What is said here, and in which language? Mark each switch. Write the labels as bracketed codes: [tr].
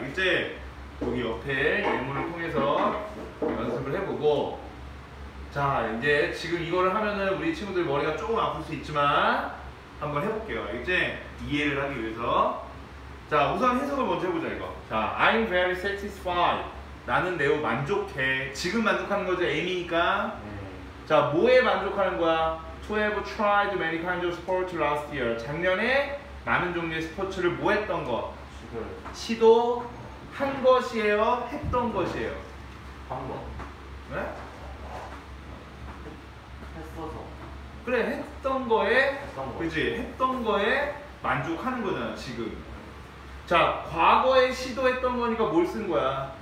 [ko] 이제 여기 옆에 예문을 통해서 연습을 해보고, 자 이제 지금 이거를 하면은 우리 친구들 머리가 조금 아플 수 있지만 한번 해볼게요. 이제 이해를 하기 위해서. 자 우선 해석을 먼저 해보자 이거. 자 [en] I'm very satisfied. [ko] 나는 매우 만족해. 지금 만족하는 거죠 Amy니까. 자 뭐에 만족하는 거야? [en] To have tried many kinds of sports last year. [ko] 작년에 많은 종류의 스포츠를 뭐 했던 거? 시도 한 것이에요? 했던 것이에요? 한 거. 네? 했어서. 그래, 했던 거에, 했던 거. 그치? 했던 거에 만족하는 거잖아, 지금. 자, 과거에 시도했던 거니까 뭘 쓴 거야?